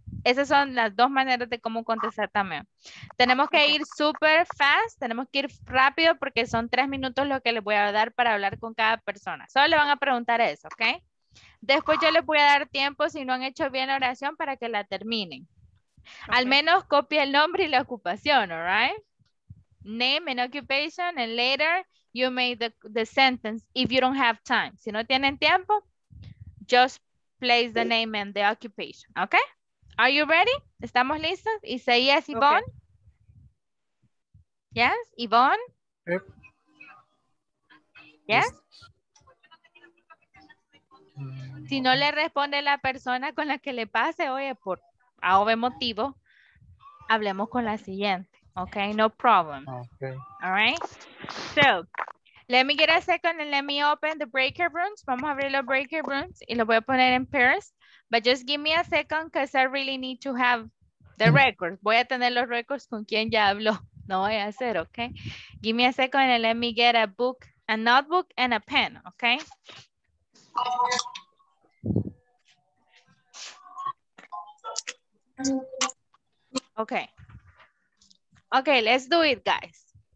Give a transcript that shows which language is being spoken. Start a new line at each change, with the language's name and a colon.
Spanish: Esas son las dos maneras de cómo contestar también. Tenemos que ir súper fast, tenemos que ir rápido porque son 3 minutos lo que les voy a dar para hablar con cada persona. Solo le van a preguntar eso, ¿ok? Después yo les voy a dar tiempo si no han hecho bien la oración para que la terminen. Okay. Al menos copie el nombre y la ocupación, ¿alright?
English: Name and occupation and later you make the sentence if you don't have time.
Spanish: Si no tienen tiempo,
English: just place the name and the occupation. Okay? Are you ready?
Spanish: ¿Estamos listos?
English: Isaías, Yvonne? Okay. Yes, Yvonne? Yep. Yes?
Spanish: Si no le responde la persona con la que le pase, oye, por A o B motivo, hablemos con la siguiente.
English: Okay? No problem. Okay. All right? So, let me get a second and let me open the breaker rooms.
Spanish: Vamos a abrir los breaker rooms y los voy a poner en pairs.
English: But just give me a second because I really need to have the records.
Spanish: Voy a tener los records con quien ya hablo. No voy a hacer,
English: ¿ok? Give me a second and let me get a book, a notebook and a pen, ¿ok? Ok. Ok, let's do it, guys.